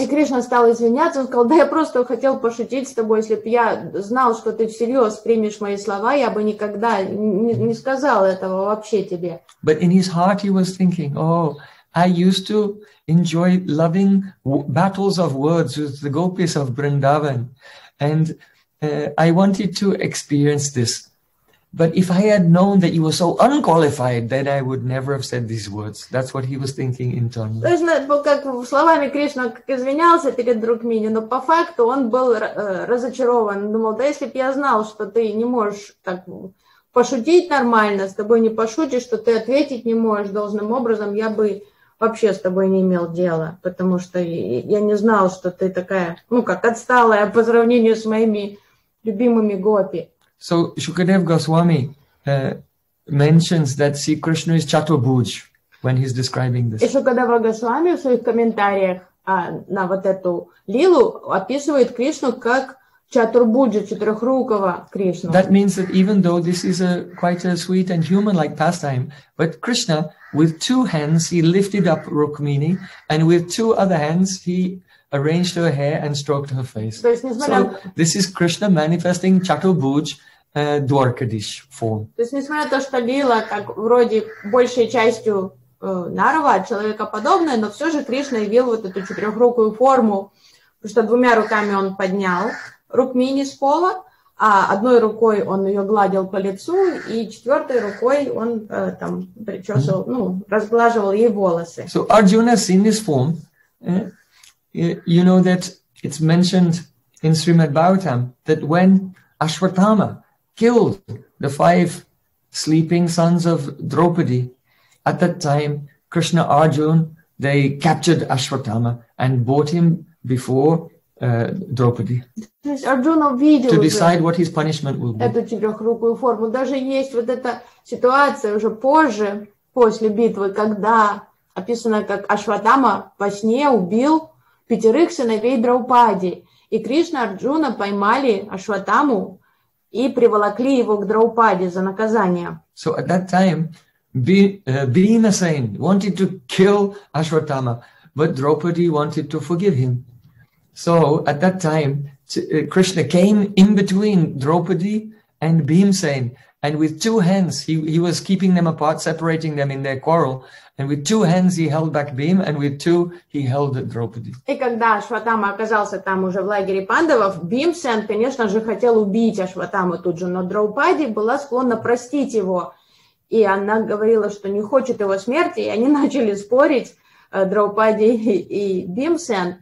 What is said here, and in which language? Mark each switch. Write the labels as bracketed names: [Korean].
[Russian] И Кришна стал извиняться, он сказал: "Да я просто хотел пошутить с тобой, если бы я знал, что ты всерьез примешь мои слова, я бы никогда не сказал этого вообще тебе." [English] But in his heart he was thinking, "Oh, I used to enjoy loving battles of words with the gopis of Vrindavan, and I wanted to experience this. But if I had known that you were so unqualified, then I would never have said these words." That's what he was thinking internally. [Russian] То есть, ну, как словами Кришна как извинялся перед Рукмини, но по факту он был разочарован. Думал, да если бы я знал, что ты не можешь так пошутить нормально, с тобой не пошутишь, что ты ответить не можешь должным образом, я бы вообще с тобой не имел дела, потому что я не знал, что ты такая, ну, как отсталая по сравнению с моими любимыми гопи. [English] So Shukadev Goswami mentions that see Krishna is chaturbhuj when he's describing this. [Russian] Shukadeva Goswami в своих комментариях на вот эту лилу описывает Кришну как чатурбуджа, четырехрукого Кришну. [English] That means that even though this is a quite a sweet and human-like pastime, but Krishna with two hands he lifted up Rukmini, and with two other hands he arranged her hair and stroked her face. So this is Krishna manifesting chaturbhuj dwarkadish form. [Russian] То есть несмотря на то, что лила как вроде большей частью нарва человекоподобная, но все же Кришна явил вот эту четырехрукую форму, потому что двумя руками он поднял Рукмини с пола, а одной рукой он ее гладил по лицу и четвертой рукой он там причесывал, ну разглаживал ей волосы. [English] So Arjuna seen this form. You know that it's mentioned in Srimad Bhagavatam that when Ashwatthama killed the five sleeping sons of Draupadi, at that time, Krishna Arjuna, they captured Ashwatthama and brought him before Draupadi to decide what his punishment will be. [Russian] Эту четырехрукую форму. Даже есть вот эта ситуация уже позже, после битвы, когда описано, как Ашватама во сне убил пятерых сыновей Драупади, и Кришна Арджуна поймали Ашватаму и приволокли его к Драупади за наказание. [English] So at that time, Bhimasen wanted to kill Ashwatthama, but Draupadi wanted to forgive him. So at that time, Krishna came in between Draupadi and Bhimasen, and with two hands, he was keeping them apart, separating them in their quarrel, And with two hands he held back Bhim, and with two he held Draupadi. [Russian] И когда Ашватама оказался там уже в лагере пандавов, Бхим Сен, конечно же, хотел убить Ашватаму тут же, но Драупади была склонна простить его. И она говорила, что не хочет его смерти, и они начали спорить, Драупади и Бхим Сен.